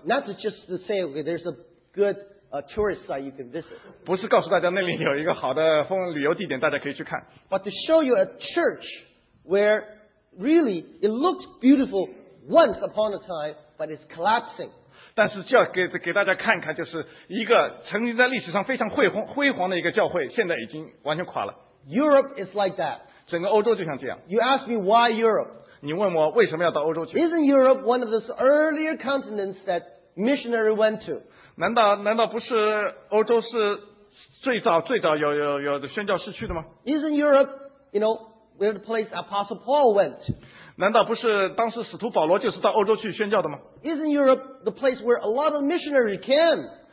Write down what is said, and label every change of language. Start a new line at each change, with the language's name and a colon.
English: Not just to say okay, there's a good tourist site you can visit.
Chinese: 不是告诉大家那里有一个好的旅游地点大家可以去看。
English: But to show you a church where really it looks beautiful once upon a time, but it's collapsing.
Chinese: 但是就要给大家看看，就是一个曾经在历史上非常辉煌的一个教会，现在已经完全垮了。
English: Europe is like that.
Chinese: 整个欧洲就像这样。
English: You ask me why Europe?
Chinese: 你问我为什么要到欧洲去？
English: Isn't Europe one of those earlier continents that missionary went to?
Chinese: 难道不是欧洲是最早有宣教士去的吗？
English: Isn't Europe, you know, where the place Apostle Paul went?
Chinese: 难道不是当时使徒保罗就是到欧洲去宣教的吗？
English: Isn't Europe the place where a lot of missionary came?